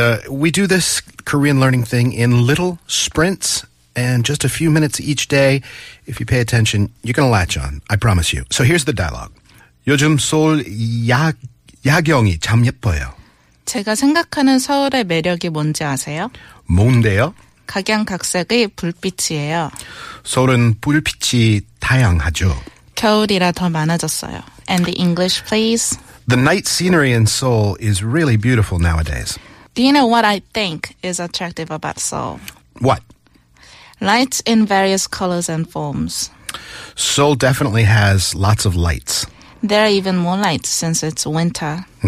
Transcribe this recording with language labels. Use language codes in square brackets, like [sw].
[en] We do this Korean learning thing in little sprints. And just a few minutes each day, if you pay attention, you're going to latch on. I promise you. So here's the dialogue. [ko] 요즘 서울 야경이 참 예뻐요. 제가 생각하는 서울의 매력이 뭔지 아세요? 뭔데요? 각양각색의 불빛이에요. 서울은 불빛이 다양하죠. 겨울이라 더 많아졌어요. [en] And the English, please. The night scenery in Seoul is really beautiful nowadays. Do you know what I think is attractive about Seoul? What? Lights in various colors and forms. Seoul definitely has lots of lights. There are even more lights since it's winter.